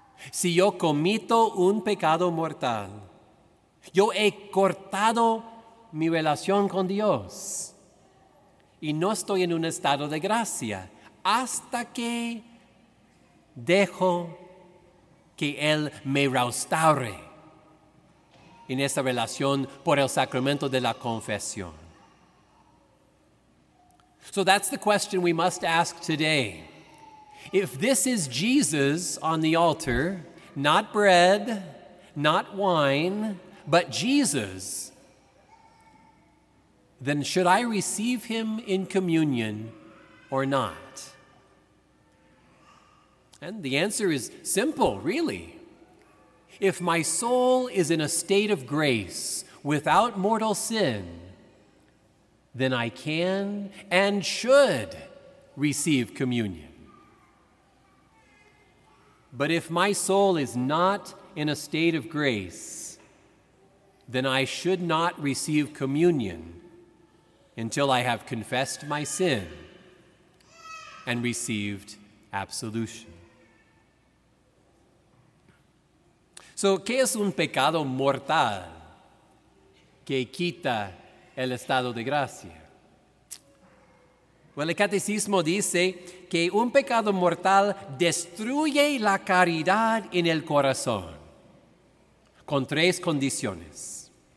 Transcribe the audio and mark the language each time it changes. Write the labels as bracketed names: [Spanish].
[Spanish] Si yo comito un pecado mortal, yo he cortado mi relación con Dios y no estoy en un estado de gracia hasta que dejo que Él me restaure en esa relación por el sacramento de la confesión. [English] So that's the question we must ask today. If this is Jesus on the altar, not bread, not wine, but Jesus, then should I receive him in communion or not? And the answer is simple, really. If my soul is in a state of grace without mortal sin, then I can and should receive communion. But if my soul is not in a state of grace, then I should not receive communion until I have confessed my sin and received absolution. [Spanish] So, ¿qué es un pecado mortal que quita el estado de gracia? Well, el catecismo dice que un pecado mortal destruye la caridad en el corazón con tres condiciones.